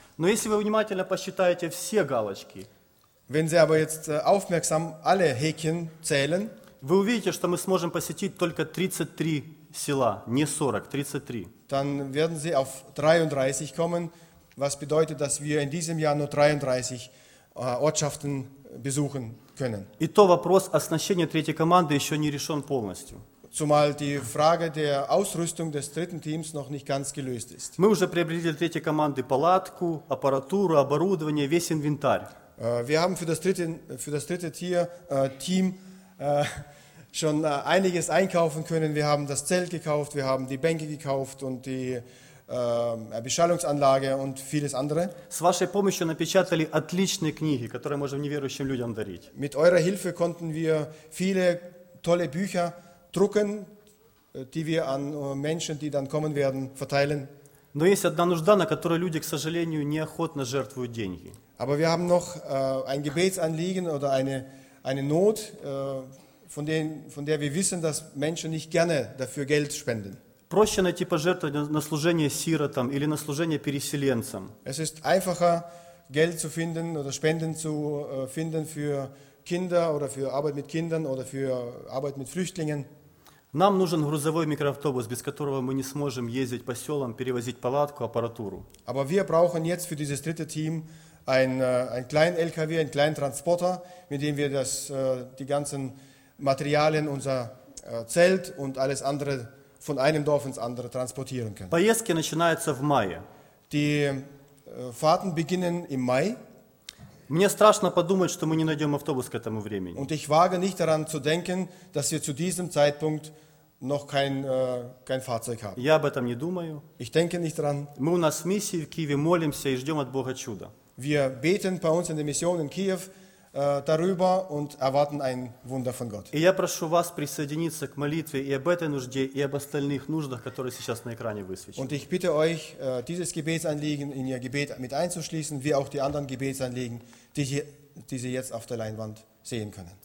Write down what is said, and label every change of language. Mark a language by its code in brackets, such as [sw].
[ru] Но если вы внимательно посчитаете все галочки, [de] Wenn Sie aber jetzt aufmerksam alle Häkchen zählen, [ru] вы увидите, что мы сможем посетить только 33 села, не 40, 33. [de] Dann werden Sie auf 33 kommen, was bedeutet, dass wir in diesem Jahr nur 33 Ortschaften besuchen können. [ru] И то вопрос оснащения третьей команды еще не решен полностью. [de] Zumal die Frage der Ausrüstung des dritten Teams noch nicht ganz gelöst ist. [ru] Мы уже приобрели для третьей команды палатку, аппаратуру, оборудование, весь инвентарь. [de] Wir haben für das dritte Team schon einiges einkaufen können. Wir haben das Zelt gekauft, wir haben die Bänke gekauft und die Beschallungsanlage und vieles andere. [ru] С вашей помощью напечатали отличные книги, которые можем неверующим людям дарить. [de] Mit eurer Hilfe konnten wir viele tolle Bücher drucken, die wir an Menschen, die dann kommen werden, verteilen. [ru] Но есть одна нужда, на которую люди, к сожалению, неохотно жертвуют деньги. [de] Aber wir haben noch ein Gebetsanliegen oder eine Not, von der wir wissen, dass Menschen nicht gerne dafür Geld spenden. [ru] Проще найти пожертвование на служение сиротам или на служение переселенцам. [de] Es ist einfacher, Geld zu finden oder Spenden zu finden für Kinder oder für Arbeit mit Kindern oder für Arbeit mit Flüchtlingen. [ru] Нам нужен грузовой микроавтобус, без которого мы не сможем ездить по селам, перевозить палатку, аппаратуру. [de] Aber wir brauchen jetzt für dieses dritte Team ein kleinen LKW, einen kleinen Transporter, mit dem wir die ganzen Materialien, unser Zelt und alles andere von einem Dorf ins andere transportieren können. [ru] Поездки начинаются в мае. [de] Die Fahrten beginnen im Mai. [ru] Мне страшно подумать, что мы не найдем автобус к этому времени. [de] Und ich wage nicht daran zu denken, dass wir zu diesem Zeitpunkt noch kein Fahrzeug haben. [ru] Я об этом не думаю. [de] Ich denke nicht daran. [ru] Мы у нас в миссии в Киеве молимся и ждем от Бога чуда. [de] Wir beten bei uns in der Mission in Kiew darüber und erwarten ein Wunder von Gott. [ru] И я прошу вас присоединиться к молитве и об этой нужде, и об остальных нуждах, которые сейчас на экране высвечены. [de] Und ich bitte euch, dieses Gebetsanliegen in ihr Gebet mit einzuschließen, wie auch die anderen Gebetsanliegen, die Sie jetzt auf der Leinwand sehen können.